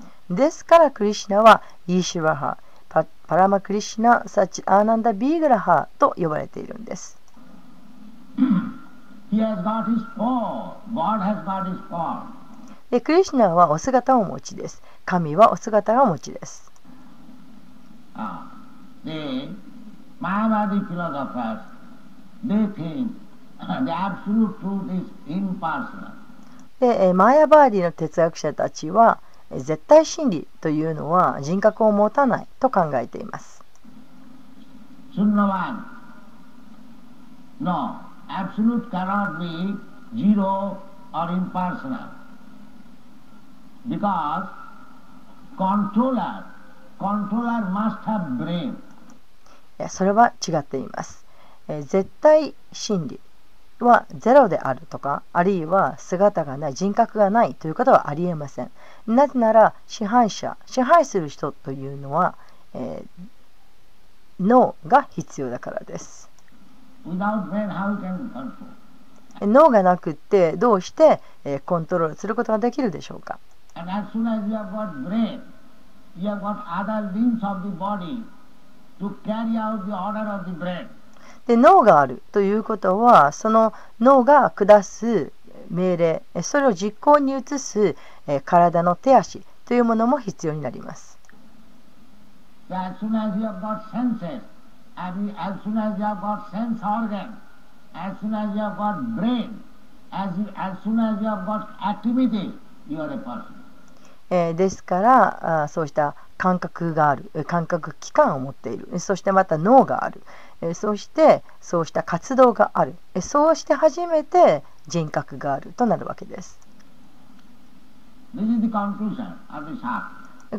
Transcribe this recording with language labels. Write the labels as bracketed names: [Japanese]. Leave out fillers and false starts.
[Japanese] ですからクリシナはイーシュワハ、パラマクリシナ・サチアナンダ・ビーグラハと呼ばれているんです。 [English] He has got his form. God has got his form. [Japanese] でクリシナはお姿をお持ちです。神はお姿をお持ちです。 [English] The Mayavadi philosophers, they think the absolute truth is impersonal. [Japanese] で、マヤバーディの哲学者たちは、絶対真理というのは人格を持たないと考えています。 [English] Sunnavan, no, absolute cannot be zero or impersonal. Because controller must have brain. [Japanese] いや、それは違っています。絶対真理はゼロであるとか、あるいは姿がない、人格がないということはありえません。なぜなら支配者、支配する人というのは、脳が必要だからです。 [English] Without brain, how can we control? [Japanese] 脳がなくてどうして、コントロールすることができるでしょうか。 [English] And as soon as you have got brainYou have got other limbs of the body to carry out the order of the brain. [Japanese] で、脳があるということは、その脳が下す命令、それを実行に移す、体の手足というものも必要になります。 [English] So、as soon as you have got senses, as soon as you have got sense organ, as soon as you have got brain, as soon as you have got activity, you are a person. [Japanese] ですから、そうした感覚がある、感覚器官を持っている、そしてまた脳がある、そしてそうした活動がある、そうして初めて人格があるとなるわけです。 [English] This is the conclusion of the Shastra.